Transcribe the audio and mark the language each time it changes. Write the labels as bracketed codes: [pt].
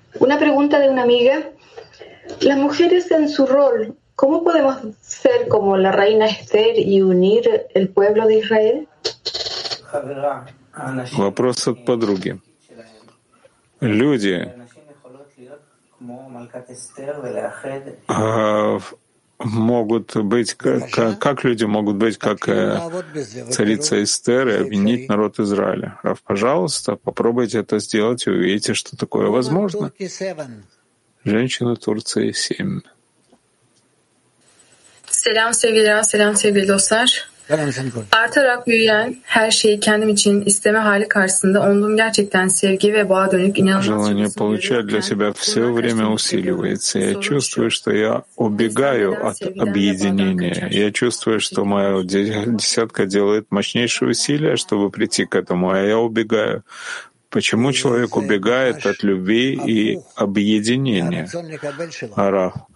[es] Una pregunta de una amiga. Las mujeres en su rol, ¿cómo podemos ser como la reina Esther y unir el pueblo de Israel? [ru] Вопрос от подруги. Люди, могут быть как люди могут быть как царица Эстер и объединить народ Израиля. Рав, пожалуйста, попробуйте это сделать и увидите, что такое возможно. Женщина Турции 7. [tr] Selam sevgili Rav, selam sevgili dostlar. Artarak büyüyen her şeyi kendim için isteme hali karşısında onluğum gerçekten sevgi ve bağa dönük inanılmaz. [ru] Желание получать для себя все время усиливается. Я чувствую, что я убегаю от объединения. Я чувствую, что моя десятка делает мощнейшие усилия, чтобы прийти к этому, а я убегаю. Почему человек убегает от любви и объединения? Арах.